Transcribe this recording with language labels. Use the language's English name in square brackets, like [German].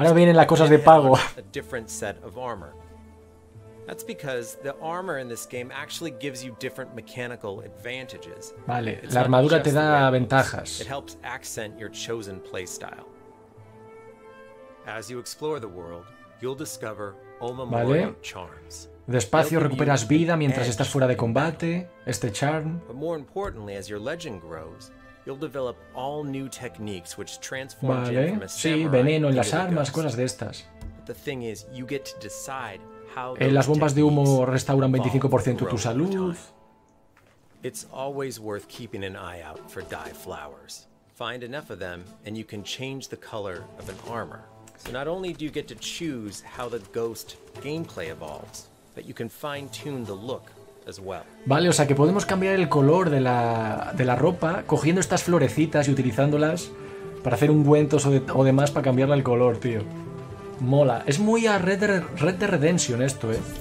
[English] Ahora vienen las cosas de pago. A different set of armor. That's because the armor in this game actually gives you different mechanical advantages. [Spanish] Vale, la armadura te da ventajas. It helps accent your chosen playstyle. [English] As you explore the world, you'll discover Omamori charms. [Spanish] Despacio recuperas vida mientras estás fuera de combate, este charm. [English] But more importantly, as your legend grows, you'll develop all new techniques which transform you from a samurai. [Spanish] Sí, veneno en las armas, cosas de estas. The thing is, you get to decide. Las bombas de humo restauran 25% tu salud. [English] It's always worth keeping an eye out for dye flowers. Find enough of them and you can change the color of an armor. So not only do you get to choose how the ghost gameplay evolves, but you can fine tune the look as well. [Spanish] Vale, o sea que podemos cambiar el color de la ropa cogiendo estas florecitas y utilizándolas para hacer ungüentos o demás para cambiarle el color, tío. Mola, es muy a Red Dead Redemption esto, ¿eh?